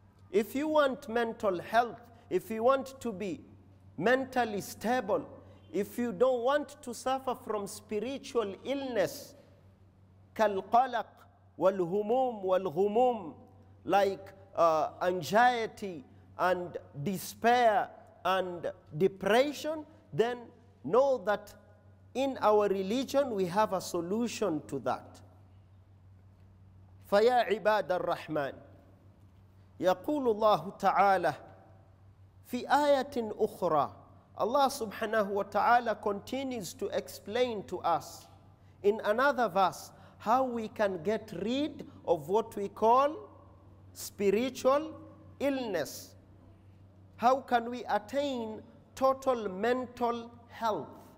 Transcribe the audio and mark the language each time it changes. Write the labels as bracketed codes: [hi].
[en] If you want mental health, if you want to be mentally stable, if you don't want to suffer from spiritual illness, [ar] كالقلق والهموم والغموم, [en] like anxiety and despair and depression, then know that in our religion we have a solution to that. [ar] فيا عباد الرحمن يقول الله تعالى في آية أخرى. [en] Allah subhanahu wa ta'ala continues to explain to us in another verse how we can get rid of what we call spiritual illness. How can we attain total mental health?